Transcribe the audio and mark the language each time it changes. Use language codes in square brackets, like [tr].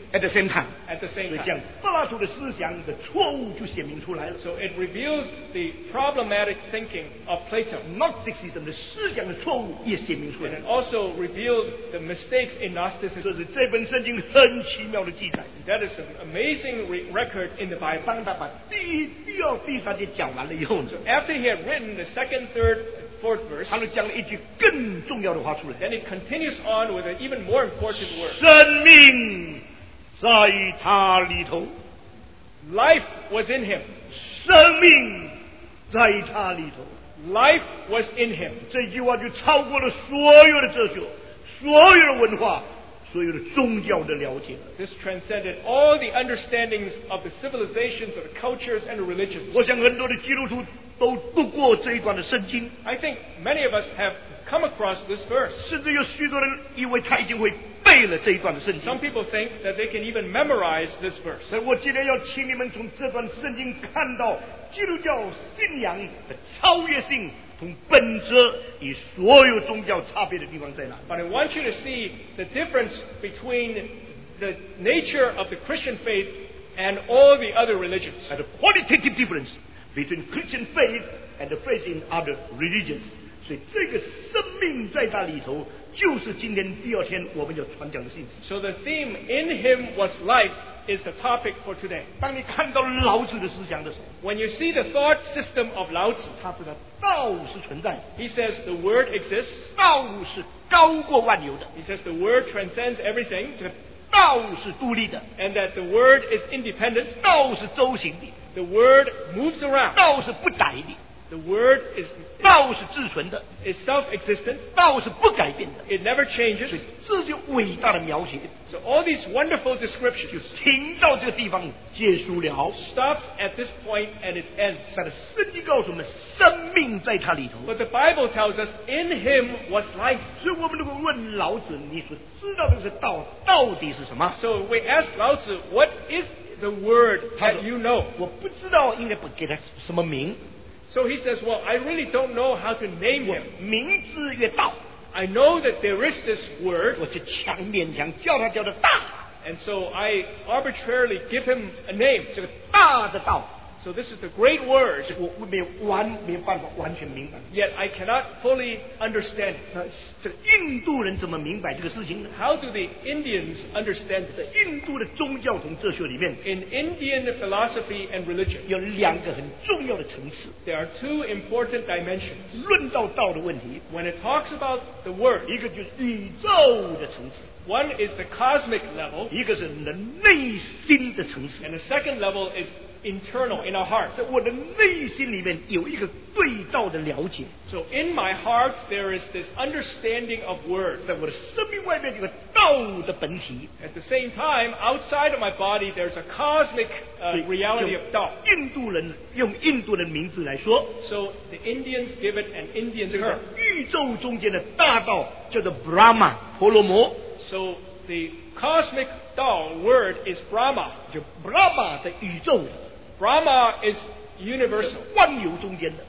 [en] At the same time. At the same time. [zh] 所以这样柏拉图的思想的错误就显明出来了。 [en] So it reveals the problematic thinking of Plato. [zh] Gnosticism 的思想的错误也显明出来了。 [en] And it also revealed the mistakes in Gnosticism. [zh] 这是这本圣经很奇妙的记载。 [en] That is an amazing record in the Bible. [zh] 当他把第一、第二、第三节讲完了以后呢， [en] So after he had written the second, third, fourth verse, [zh] 他就讲了一句更重要的话出来。 [en] Then it continues on with an even more important word. [zh] 生命在他里头。 [en] Life was in him. [zh] 生命在他里头。 [en] Life was in him. [zh] 这句话就超过了所有的哲学，所有的文化，所有的宗教的了解。 [en] This transcended all the understandings of the civilizations, of the cultures, and the religions. [zh] 我想很多的基督徒都读过这一段的圣经。 [en] I think many of us have come across this verse. [zh] 甚至有许多人以为他已经会背了这一段的圣经。 [en] Some people think that they can even memorize this verse. [zh] 但我今天要请你们从这段圣经看到基督教信仰的超越性。从本质与所有宗教差别的地方在哪？ [en] But I want you to see the difference between the nature of the Christian faith and all the other religions. And the qualitative difference between Christian faith and the faith in other religions. [zh] 所以这个生命在那里头，就是今天第二天我们要传讲的信息。 [en] So the theme in him was life. Is the topic for today. [zh] 当你看到老子的思想的时候， [en] When you see the thought system of 老子， [zh] 他说的道是存在。 [en] He says the word exists. [zh] 道是高过万有的。 [en] He says the word transcends everything. [zh] 道是独立的。 [en] And that the word is independent. [zh] 道是周行的。 [en] The word moves around. [zh] 道是不改的。 [en] The word is [zh] 道是自存的。 [en] Is self-existent. [zh] 道是不改变的。 [en] It never changes. [zh] 这就伟大的描写。 [en] So all these wonderful descriptions [zh] 就停到这个地方结束了。 [en] Stops at this point and it ends. [zh] 但是圣经告诉我们生命在他里头。 [en] But the Bible tells us in him was life. [zh] 所以我们如果问老子你所知道的这个道到底是什么？ [en] So we ask 老子 what is the word that you know? [zh] 我不知道应该不给他什么名。 [en] So he says, well, I really don't know how to name him. [zh] 名字曰道。 [en] I know that there is this word. [zh] 我就强勉强叫他叫做大。 [en] And so I arbitrarily give him a name. [zh] 这个大的道。 [en] So this is the great word. [zh] 我没有办法完全明白。 [en] Yet I cannot fully understand it. [zh] 这个印度人怎么明白这个事情呢？ [en] How do the Indians understand this? [zh] 印度的宗教和哲学里面 [en] In Indian philosophy and religion [zh] 有两个很重要的层次。 [en] There are two important dimensions. [zh] 论到道的问题 [en] When it talks about the word [zh] 一个就是宇宙的层次 [en] One is the cosmic level. [zh] 一个是人内心的层次 [en] And the second level is internal in our hearts. [zh] 在我的内心里面有一个对道的了解。 [en] So in my heart there is this understanding of word. [zh] 在我的生命外面有个道的本体。 [en] At the same time, outside of my body, there's a cosmic reality of 道。 [zh] 印度人用印度人名字来说。 [en] So the Indians give it an Indian term. [zh] 宇宙中间的大道叫做 Brahma, 婆罗摩。 [en] So the cosmic 道 word is Brahma. [zh] 就 Brahma 在宇宙。 [en] Brahma is universal. [zh] 万有中间的。